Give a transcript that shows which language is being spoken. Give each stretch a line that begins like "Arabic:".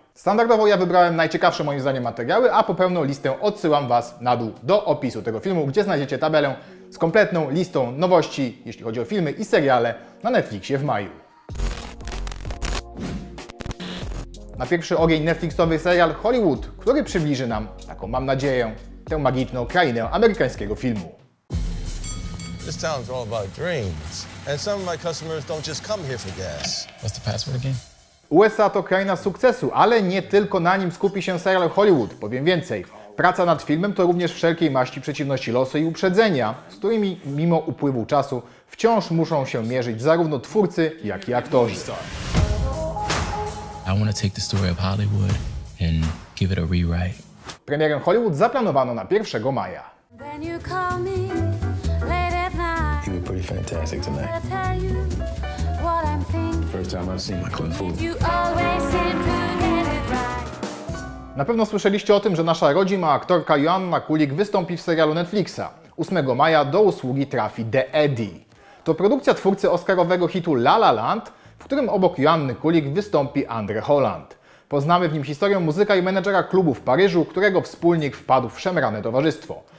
Polish: Standardowo ja wybrałem najciekawsze moim zdaniem materiały, a po pełną listę odsyłam Was na dół do opisu tego filmu, gdzie znajdziecie tabelę z kompletną listą nowości, jeśli chodzi o filmy i seriale na Netflixie w maju. Na pierwszy ogień Netflixowy serial Hollywood, który przybliży nam, taką mam nadzieję, tę magiczną krainę amerykańskiego filmu.
English: This town's all about dreams. And some of my customers don't just come here for gas. What's the password again?
Polish: USA to kraina sukcesu, ale nie tylko na nim skupi się serial Hollywood, powiem więcej. Praca nad filmem to również wszelkiej maści przeciwności losu i uprzedzenia, z którymi mimo upływu czasu wciąż muszą się mierzyć zarówno twórcy, jak i aktorzy.
English: I want to take the story of Hollywood and give it a rewrite.
Polish: Premierę Hollywood zaplanowano na 1 maja.
English: Then you call me late at night. You look pretty fantastic tonight. I'll tell you what I'm thinking. First time I've seen my clothes. You always seem to get it right.
Polish: Na pewno słyszeliście o tym, że nasza rodzima aktorka Joanna Kulik wystąpi w serialu Netflixa. 8 maja do usługi trafi The Eddie. To produkcja twórcy oscarowego hitu La La Land, w którym obok Joanny Kulik wystąpi Andre Holland. Poznamy w nim historię muzyka i menedżera klubu w Paryżu, którego wspólnik wpadł w szemrane towarzystwo.